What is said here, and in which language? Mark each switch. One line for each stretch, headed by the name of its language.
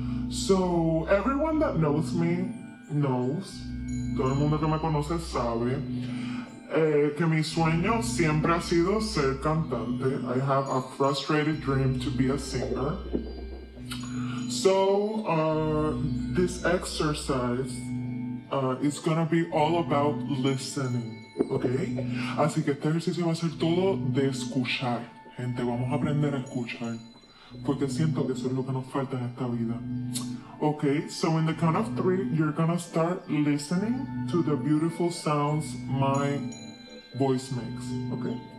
English: So everyone that knows me knows,
Spanish: todo el mundo que me conoce sabe, que mi sueño siempre ha sido ser cantante.
English: I have a frustrated dream to be a singer. So this exercise is gonna be all about listening, okay?
Spanish: Así que este ejercicio va a ser todo de escuchar.
English: Gente,
Spanish: vamos a aprender a escuchar. Porque siento que eso es lo que nos falta en esta vida.
English: Okay, so in the count of three, you're gonna start listening to the beautiful sounds my voice makes, okay?